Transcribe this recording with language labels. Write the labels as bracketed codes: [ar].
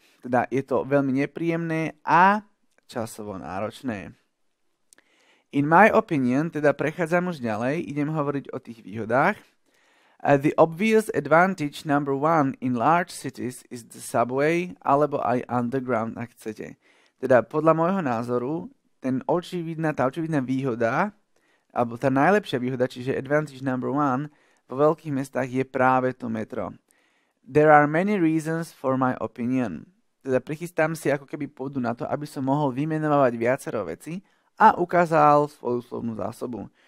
[sk] Teda je to veľmi nepríjemné a časovo náročné. [en] In my opinion, [sk] teda prechádzam už ďalej, idem hovoriť o tých výhodách. [en] The obvious advantage number one in large cities is the subway, [sk] alebo aj underground, ak chcete. Teda podľa môjho názoru, tá očividná výhoda, alebo tá najlepšia výhoda, čiže [en] advantage number one, [sk] vo veľkých mestách je práve to metro. [en] There are many reasons for my opinion. [sk] Teda prichystám si ako keby pôdu na to, aby som mohol vymenovať viacero veci a ukázal svoju slovnú zásobu.